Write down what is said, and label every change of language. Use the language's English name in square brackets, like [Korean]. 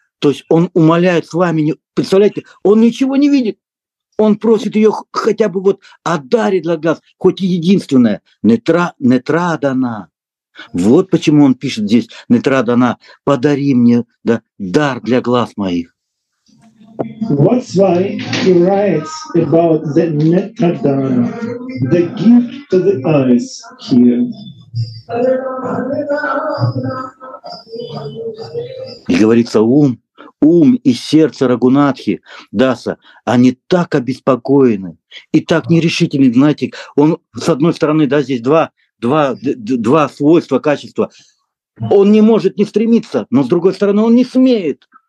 [Russian] То есть он умоляет Свамини, представляете, он ничего не видит. Он просит ее хотя бы вот одарить для глаз, хоть и единственное, нетрадана. Вот почему он пишет здесь, нетрадана, подари мне, да, дар для глаз моих. [English] That's why he writes about the netradana, the gift to the eyes here. [Russian] И говорится, ум, ум и сердце Рагунатхи, Даса, они так обеспокоены и так нерешительны, знаете, он с одной стороны, да, здесь два свойства, качества, он не может не стремиться, но с другой стороны, он не смеет.